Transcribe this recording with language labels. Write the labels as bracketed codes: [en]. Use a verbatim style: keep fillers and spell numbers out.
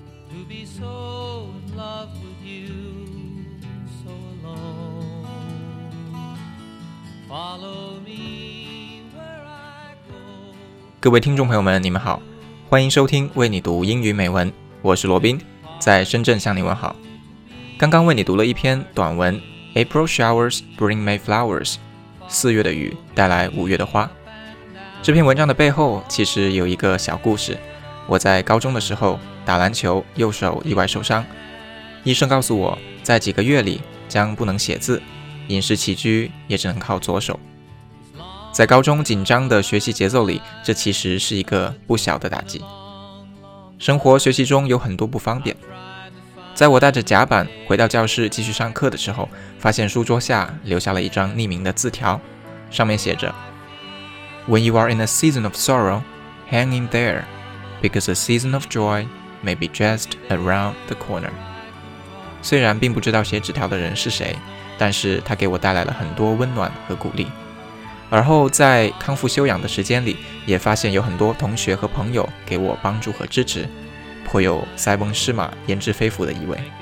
[en] To be so in love with you, so alone. Follow me where I go. [zh] 各位听众朋友们，你们好，欢迎收听为你读英语美文，我是罗宾，在深圳向你问好。刚刚为你读了一篇短文 [en] April showers bring May flowers， [zh] 四月的雨带来五月的花。这篇文章的背后其实有一个小故事。我在高中的时候打篮球，右手意外受伤，医生告诉我在几个月里将不能写字，饮食起居也只能靠左手。在高中紧张的学习节奏里，这其实是一个不小的打击。生活学习中有很多不方便。在我带着夹板回到教室继续上课的时候，发现书桌下留下了一张匿名的字条，上面写着 [en] When you are in a season of sorrow, hang in there. Because a season of joy may be just around the corner. [zh] 虽然并不知道写纸条的人是谁，但是他给我带来了很多温暖和鼓励。而后在康复休养的时间里，也发现有很多同学和朋友给我帮助和支持，颇有塞翁失马焉知非福的意味。